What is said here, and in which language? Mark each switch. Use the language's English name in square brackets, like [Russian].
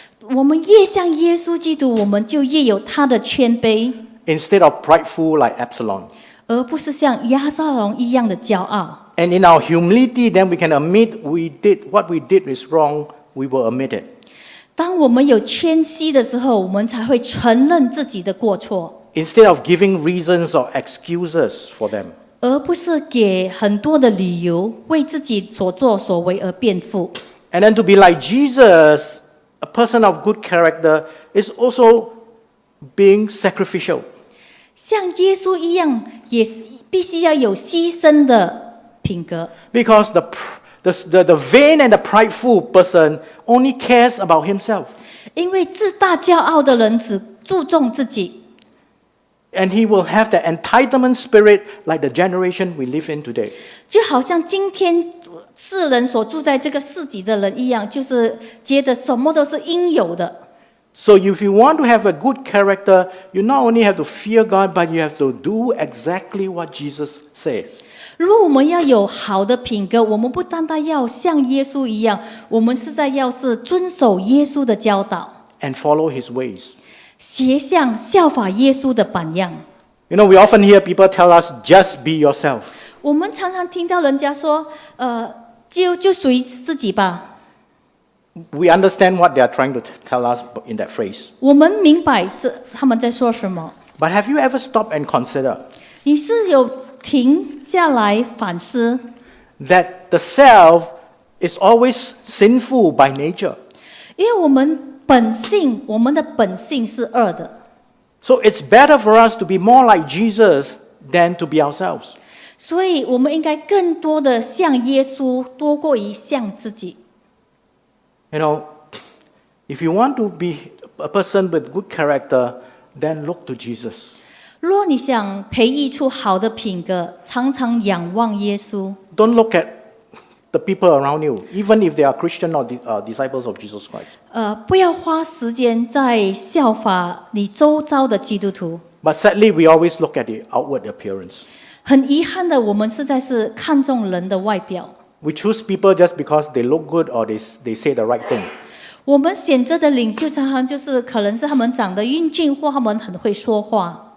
[Chinese] 我们越像耶稣基督，我们就越有他的谦卑。 [English] Instead of prideful like Absalom, [Chinese] 而不是像亚撒龙一样的骄傲。 [English] And in our humility, then we can admit we did what we did is wrong. We will admit it. [Chinese] 当我们有谦虚的时候，我们才会承认自己的过错。 [English] Instead of giving reasons or excuses for them, [Chinese] 而不是给很多的理由为自己所作所为而辩护。 [English] And then to be like Jesus. A person of good character is also being sacrificial. [Chinese] 像耶稣一样，也必须要有牺牲的品格。 [English] Because the vain and the prideful person only cares about himself. [Chinese] 因为自大骄傲的人只注重自己。 [English] And he will have the entitlement spirit like the generation we live in today. [Chinese] 就好像今天世人所住在这个世纪的人一样，就是觉得什么都是应有的。 [English] So if you want to have a good character, you not only have to fear God, but you have to do exactly what Jesus says. [Chinese] 如果我们要有好的品格，我们不单单要像耶稣一样，我们实在要是遵守耶稣的教导。 [English] And follow his ways. [Chinese] 学像效法耶稣的榜样。 [English] You know, we often hear people tell us, just be yourself. [Chinese] 我们常常听到人家说，就属于自己吧。 [English] We understand what they are trying to tell us in that phrase. [Chinese] 我们明白这他们在说什么。 [English] But have you ever stopped and considered? [Chinese] 你是有停下来反思 [English] ？That the self is always sinful by nature. [Chinese] 因为我们。本性，我们的本性是恶的。 [English] So it's better for us to be more like Jesus than to be ourselves. [Chinese] 所以我们应该更多的像耶稣，多过于像自己。 [English] You know, if you want to be a person with good character, then look to Jesus. [Chinese] 若你想培育出好的品格，常常仰望耶稣。 [English] Don't look at the people around you, even if they are Christian or disciples of Jesus Christ. [Chinese] 不要花时间在效法你周遭的基督徒。 [English] But sadly, we always look at the outward appearance. [Chinese] 很遗憾的，我们实在是看重人的外表。 [English] We choose people just because they look good or they say the right thing. [Chinese] 我们选择的领袖常常就是可能是他们长得英俊或他们很会说话。